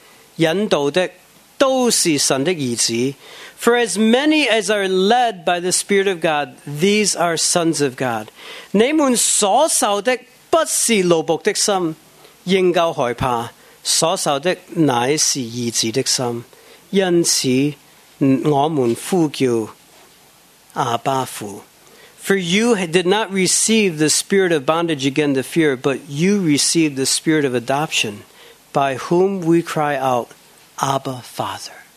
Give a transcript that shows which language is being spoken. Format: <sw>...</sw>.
<zh>凡被神的圣灵引导的都是神的儿子。</zh> <en>For as many as are led by the Spirit of God, these are sons of God.</en> <zh>你们所受的不是奴仆的心应该害怕所受的乃是儿子的心因此我们呼叫阿爸父。</zh> <en>For you did not receive the spirit of bondage again to fear, but you received the spirit of adoption, by whom we cry out, Abba, Father.</en>